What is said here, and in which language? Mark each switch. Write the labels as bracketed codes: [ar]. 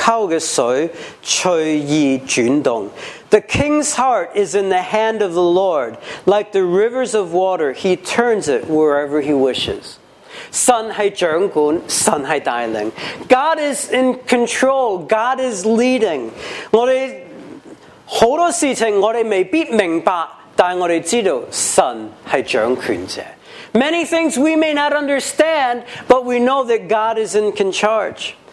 [zh] 王的心在耶和华手中，好像龙沟的水随意转动。 [en] The king's heart is in the hand of the Lord. Like the rivers of water, he turns it wherever he wishes. [zh] 神是掌管，神是带领。 [en] God is in control. God is leading. [zh] 很多事情我们未必明白，但我们知道神是掌权者。 [en] Many things we may not understand, but we know that God is in charge.